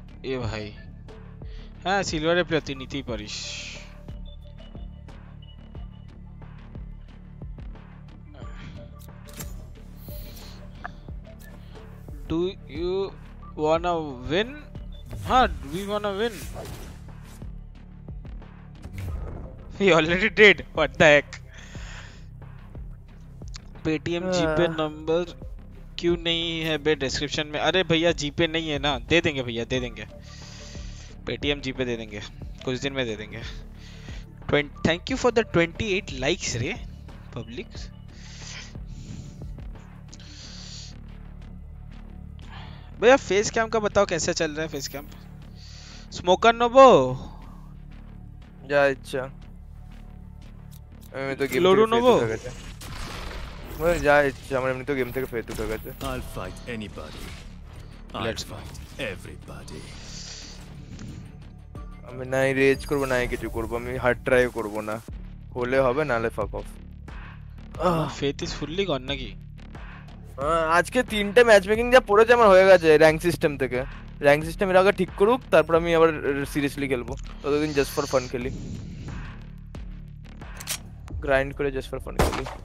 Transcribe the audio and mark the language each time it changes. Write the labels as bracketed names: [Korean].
[Bangla] এ ভাই হ্যাঁ সিলভারে প্রতি নিতেই পারিস, [English] Do you wanna win? হ্যাঁ we wanna win, you already dead, what the heck. [Hindi] Paytm GPay number क्यों नहीं है बे डिस्क्रिप्शन में? अरे भैया जीपे नहीं है ना, दे देंगे भैया, दे देंगे पेटीएम जीपे, दे देंगे कुछ दिन में दे देंगे. [English] Thank you for the 28 likes रे public. [Hindi] भैया फेस कैम का बताओ कैसा चल रहा है फेस कैम. स्मोकर नोबो जा अच्छा मैं तो गेम लोडो नोबो मैं जा अच्छा मैं तो गेम तक फेस तो कर गया. [English] I fight anybody let's fight everybody. [Bangla] আমি না রেজ করব না কিছু করব, আমি হার্ড ড্রাইভ করব না, হলে হবে নালে [English] Fuck off. Faith is fully gone নাকি? [Bangla] আজকে তিনটে ম্যাচ মেকিং যা পড়েছে আমার হয়ে গেছে র‍্যাঙ্ক সিস্টেম থেকে. র‍্যাঙ্ক সিস্টেম এর আগে ঠিক করুক, তারপর আমি আবার সিরিয়াসলি খেলবো. ততদিন [English] just for fun [Bangla] খেলি, গ্রাইন্ড করে জাস্ট ফর ফান খেলি.